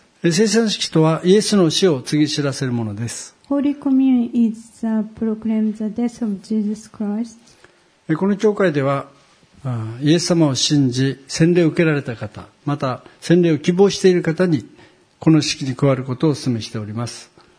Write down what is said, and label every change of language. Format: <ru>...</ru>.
<ja>生産式とはイエスの死を告げ知らせるものです。</ja> <en>Holy communion is to proclaim the death of Jesus Christ.</en> <ja>この教会では、イエス様を信じ洗礼を受けられた方、また洗礼を希望している方にこの式に加わることをお勧めしております。</ja>